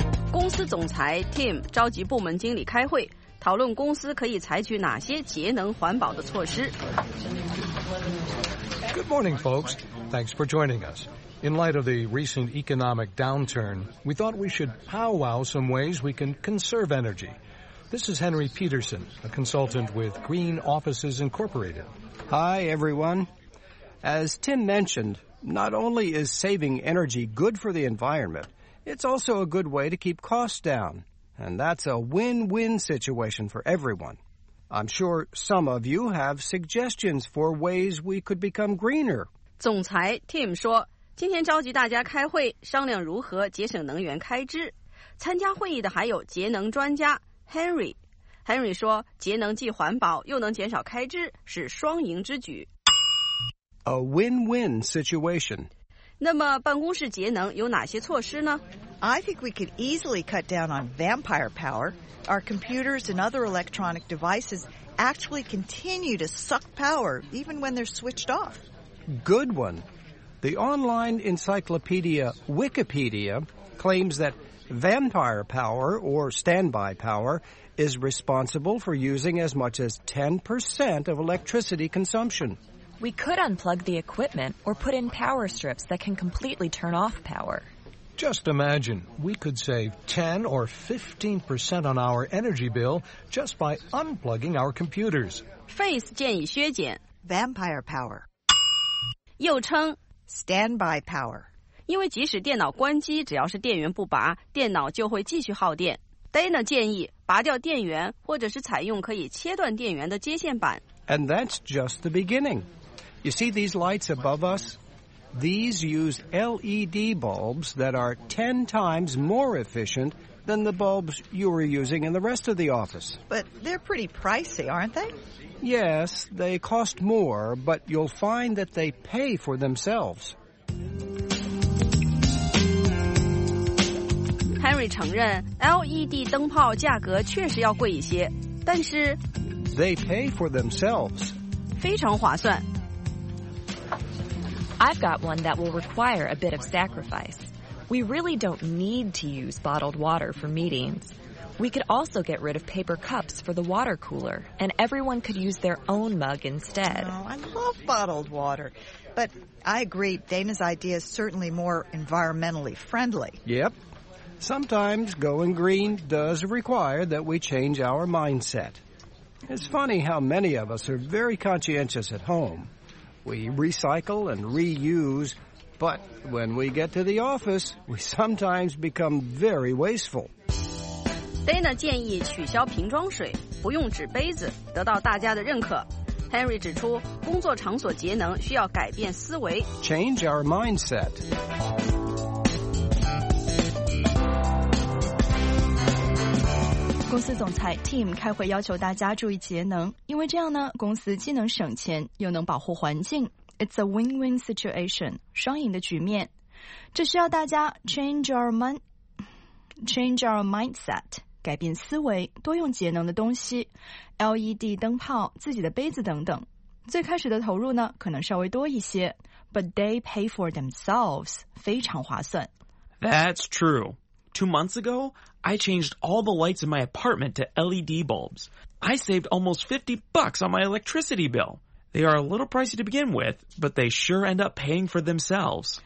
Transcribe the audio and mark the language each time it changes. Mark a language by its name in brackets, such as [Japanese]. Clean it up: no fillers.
[Chinese] 公司总裁 Tim 召集部门经理开会，讨论公司可以采取哪些节能环保的措施。 [English] Good morning, folks. Thanks for joining us. In light of the recent economic downturn, we thought we should powwow some ways we can conserve energy. This is Henry Peterson, a consultant with Green Offices Incorporated. Hi, everyone. As Tim mentioned, not only is saving energy good for the environment, it's also a good way to keep costs down. And that's a win-win situation for everyone. I'm sure some of you have suggestions for ways we could become greener. [Chinese] 总裁 Tim 说，今天召集大家开会，商量如何节省能源开支。参加会议的还有节能专家 Henry。Henry 说，节能既环保又能减少开支，是双赢之举。 [English] A win-win situation. [Chinese] 那么办公室节能有哪些措施呢？ [English] I think we could easily cut down on vampire power. Our computers and other electronic devices actually continue to suck power even when they're switched off. Good one. The online encyclopedia Wikipedia claims that vampire power, or standby power, is responsible for using as much as 10% of electricity consumption. We could unplug the equipment or put in power strips that can completely turn off power. Just imagine, we could save 10 or 15% on our energy bill just by unplugging our computers. [Chinese] Face 建议削减 [English] Vampire power. [Chinese] 又称 [English] Standby power. [Chinese] 因为即使电脑关机，只要是电源不拔，电脑就会继续耗电。 Dana 建议拔掉电源，或者是采用可以切断电源的接线板。 [English] And that's just the beginning. You see these lights above us? These use LED bulbs that are 10 times more efficient than the bulbs you were using in the rest of the office. But they're pretty pricey, aren't they? Yes, they cost more, but you'll find that they pay for themselves. [Chinese] Henry 承认 LED 灯泡价格确实要贵一些，但是 [English] They pay for themselves. [Chinese] 非常划算。 [English] I've got one that will require a bit of sacrifice. We really don't need to use bottled water for meetings. We could also get rid of paper cups for the water cooler, and everyone could use their own mug instead. Oh, I love bottled water. But I agree, Dana's idea is certainly more environmentally friendly. Yep. Sometimes going green does require that we change our mindset. It's funny how many of us are very conscientious at home. We recycle and reuse, but when we get to the office, we sometimes become very wasteful. [Chinese] Dana 建议取消瓶装水，不用纸杯子，得到大家的认可。 Henry 指出，工作场所节能需要改变思维。 [English] Change our mindset. [Chinese] 公司总裁 Tim 开会要求大家注意节能，因为这样呢，公司既能省钱，又能保护环境。 [English] It's a win-win situation, [Chinese] 双赢的局面。这需要大家 [English] change our mindset, [Chinese] 改变思维，多用节能的东西 ,LED 灯泡，自己的杯子等等。最开始的投入呢，可能稍微多一些 , [English] but they pay for themselves, [Chinese] 非常划算。 [English] That's true. 2 months ago,I changed all the lights in my apartment to LED bulbs. I saved almost $50 on my electricity bill. They are a little pricey to begin with, but they sure end up paying for themselves.